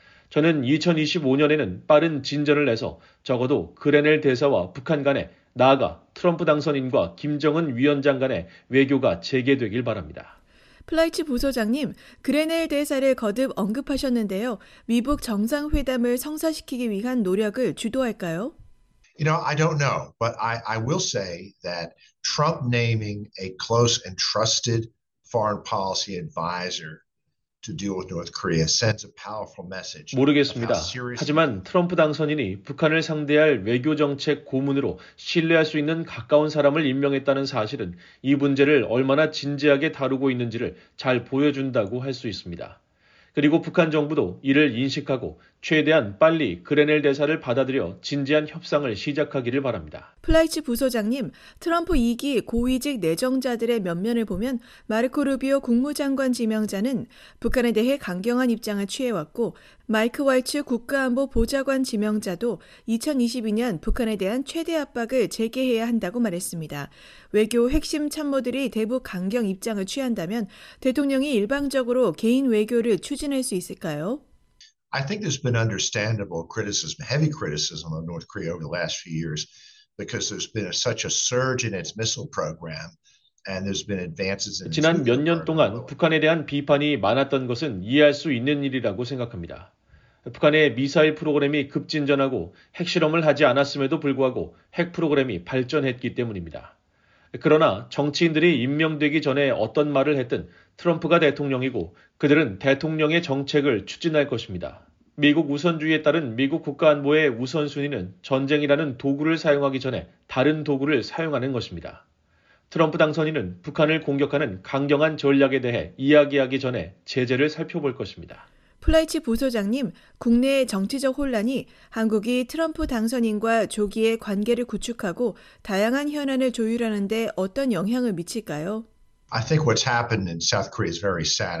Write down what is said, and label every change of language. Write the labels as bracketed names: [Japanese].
[Korean] 저는 2025년에는 빠른 진전을 내서 적어도 그레넬 대사와 북한 간에 나아가 트럼프 당선인과 김정은 위원장 간의 외교가 재개되길 바랍니다. 플라이츠 부소장님, 그레넬 대사를 거듭 언급하셨는데요. 미북 정상회담을 성사시키기 위한 노력을 주도할까요? [English] You know, I don't know, but I will say that Trump naming a close and trusted foreign policy advisor to deal with North Korea sends a powerful message. [Korean] 모르겠습니다. 하지만 트럼프 당선인이 북한을 상대할 외교 정책 고문으로 신뢰할 수 있는 가까운 사람을 임명했다는 사실은 이 문제를 얼마나 진지하게 다루고 있는지를 잘 보여준다고 할 수 있습니다. 그리고 북한 정부도 이를 인식하고 최대한 빨리 그레넬 대사를 받아들여 진지한 협상을 시작하기를 바랍니다. 플라이츠 부소장님, 트럼프 2기 고위직 내정자들의 면면을 보면 마르코 루비오 국무장관 지명자는 북한에 대해 강경한 입장을 취해왔고 마이크 왈츠 국가안보 보좌관 지명자도 2022년 북한에 대한 최대 압박을 재개해야 한다고 말했습니다. 외교 핵심 참모들이 대북 강경 입장을 취한다면 대통령이 일방적으로 개인 외교를 추진할 수 있을까요? [English] I think there's been understandable criticism, heavy criticism of North Korea over the last few years because there's been such a surge in its missile program and there's been advances in its [Korean] 지난 몇 년 동안 북한에 대한 비판이 많았던 것은 이해할 수 있는 일이라고 생각합니다. 북한의 미사일 프로그램이 급진전하고 핵실험을 하지 않았음에도 불구하고 핵 프로그램이 발전했기 때문입니다. 그러나 정치인들이 임명되기 전에 어떤 말을 했든 트럼프가 대통령이고 그들은 대통령의 정책을 추진할 것입니다. 미국 우선주의에 따른 미국 국가안보의 우선순위는 전쟁이라는 도구를 사용하기 전에 다른 도구를 사용하는 것입니다. 트럼프 당선인은 북한을 공격하는 강경한 전략에 대해 이야기하기 전에 제재를 살펴볼 것입니다. 플라이츠 부소장님, 국내의 정치적 혼란이 한국이 트럼프 당선인과 조기에 관계를 구축하고 다양한 현안을 조율하는 데 어떤 영향을 미칠까요? [English] I think what's happened in South Korea is very sad.